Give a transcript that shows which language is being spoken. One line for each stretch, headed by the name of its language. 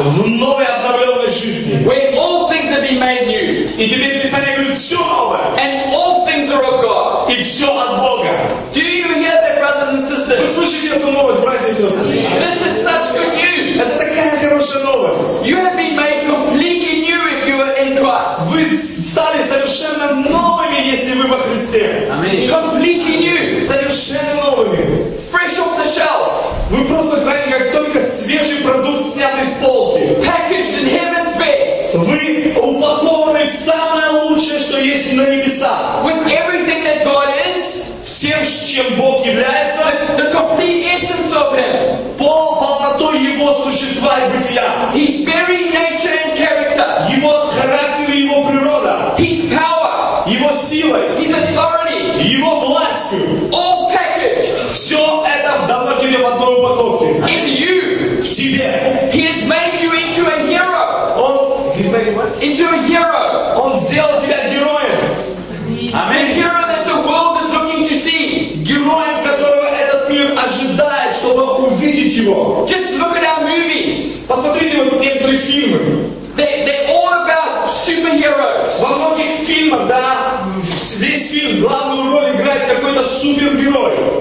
Russian: В новой обновленной жизни.
English: Where all things have been made new.
Russian: И теперь Писание говорит, все новое.
English: And all things are of God.
Russian: И все от Бога.
English: Do you hear that, brothers and sisters?
Russian: Вы слышите эту новость, братья и сестры?
English: This is such good news.
Russian: Это такая хорошая новость.
English: You have been made completely new if you are in Christ.
Russian: Вы стали совершенно новыми, если вы во Христе.
English: Amen. Completely new.
Russian: Совершенно новыми.
English: Fresh off the shelf.
Russian: Вы просто знаете, как только свежий продукт снят из полки.
English: Packaged in heaven's best.
Russian: Вы упакованы в самое лучшее, что есть на небесах.
English: With everything that God is.
Russian: Всем, чем Бог является.
English: The complete essence of Him.
Russian: Полнотой Его существа и бытия.
English: His very nature and character.
Russian: Его характер и Его природа.
English: His power.
Russian: Его силой.
English: His authority.
Russian: Его властью.
English: All packaged.
Russian: Все это дано тебе в одной упаковке.
English: In you.
Russian: В тебе.
English: He has made you into a hero.
Russian: Он,
English: he's made what? Into a hero.
Russian: Он сделал тебя героем.
English: Amen. The hero that the world is looking to see.
Russian: Героем, которого этот мир ожидает, чтобы увидеть его.
English: Just look at our movies.
Russian: Посмотрите вот некоторые фильмы.
English: They're all about superheroes.
Russian: Во многих фильмах, да, весь фильм главную роль играет какой-то супергерой.